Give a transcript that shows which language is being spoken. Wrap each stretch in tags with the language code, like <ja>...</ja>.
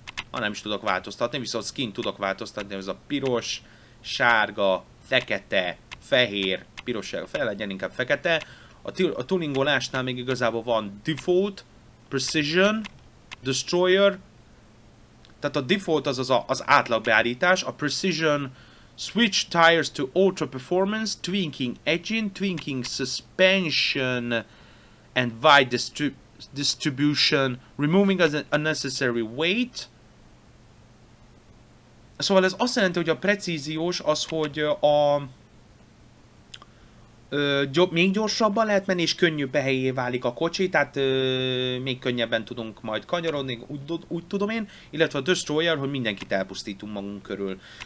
<hu>Ha nem is tudok változtatni, viszont skin tudok változtatni, ez a piros, sárga, fekete, fehér, piros, fel legyen inkább fekete. A tuningolásnál még igazából van default, precision, destroyer. Tehát a default az az átlag beállítás, a precision...</hu> <en>Switch tires to ultra performance, twinking engine, twinking suspension and wide distribution, removing as unnecessary weight.</en> <hu>Szóval ez azt jelenti, hogy a precíziós az, hogy a még gyorsabban lehet menni, és könnyűbb helyé válik a kocsi, tehát még könnyebben tudunk majd kanyarodni, úgy tudom én, illetve a Destroyer, hogy mindenkit elpusztítunk magunk körül.</hu>